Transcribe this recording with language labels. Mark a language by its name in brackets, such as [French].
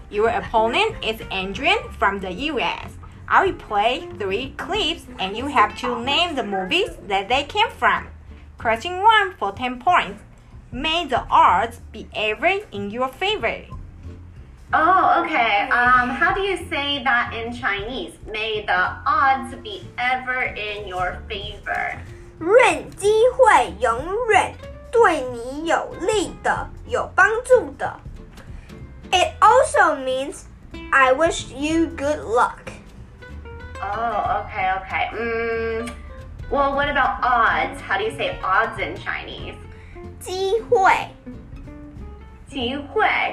[English] Your opponent is Andrian from the U.S. I will play three clips and you have to name the movies that they came from. Question 1 for 10 points. May the odds be ever in your favor. Oh, okay. How do you say that in Chinese? May the odds be ever in your favor. [Chinese] 任机会永远对你有利的有帮助的。 [English] It also means, I wish you good luck. Oh, okay. Well, what about odds? How do you say odds in Chinese? [Chinese] 机会。机会。